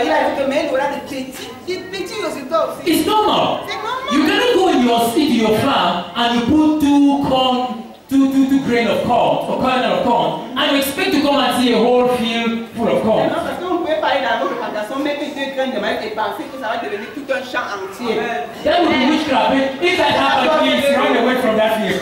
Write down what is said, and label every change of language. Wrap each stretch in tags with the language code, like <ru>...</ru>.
<fr>Il a dit que mais il aura de petits résultats aussi.</fr> <en>It's normal. You cannot go in your seed, your farm, and you put two grains of corn, and you expect to come and see a whole field full of corn.</en> <fr>Non, parce qu'on pouvait parler dans notre plantation, mettre deux graines de maïs et penser que ça va devenir tout un champ entier.</fr> <en>That would be witchcraft. If that happened, please run away from that field.</en>